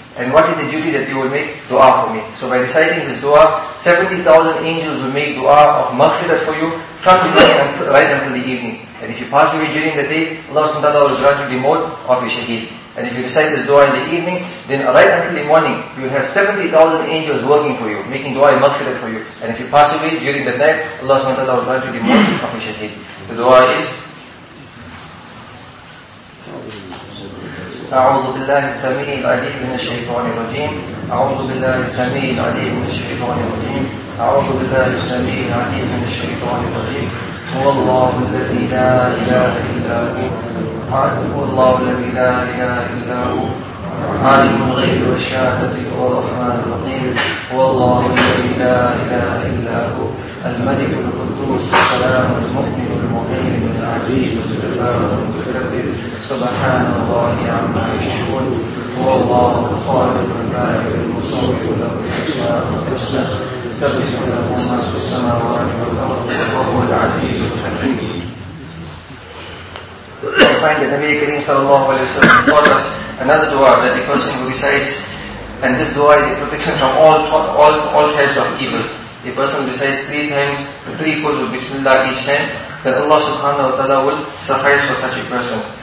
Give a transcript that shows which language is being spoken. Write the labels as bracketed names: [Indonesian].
[English] And what is the duty that you will make? Dua for me. So by reciting this dua, 70,000 angels will make dua of maghfirat for you from the morning right until the evening. And if you pass away during the day, Allah subhanahu wa ta'ala will grant you the mode of your shaheed. And if you recite this dua in the evening, then right until the morning, you have 70,000 angels working for you, making dua and maghfirat for you. And if you pass away during the night, Allah subhanahu wa ta'ala will grant you the mode of your shaheed. The dua is [Arabic] أعوذ بالله السميع العليم من الشيطان الرجيم أعوذ بالله السميع العليم من الشيطان الرجيم أعوذ بالله السميع العليم من الشيطان الرجيم هو الله الذي لا إله إلا هو هو الله الذي لا إله إلا هو عالم الغيب والشهادة هو الرحمن الرحيم هو الله الذي لا إله إلا هو الملك القدوس السلام المؤمن المهيمن العزيز الجبار المتكبر سبحان الله عما يشركون هو الله الخالق البارئ المصور له الاسماء الحسنى يسبح له ما في السماوات والارض وهو العزيز الحكيم. [English] We find that Nabi Kareem sallallahu alayhi wa sallam taught us another dua that a person who recites, and this dua is a protection from all types of evil. A person recites three times, three quotes of Bismillah each time, that Allah subhanahu wa ta'ala will suffice for such a person.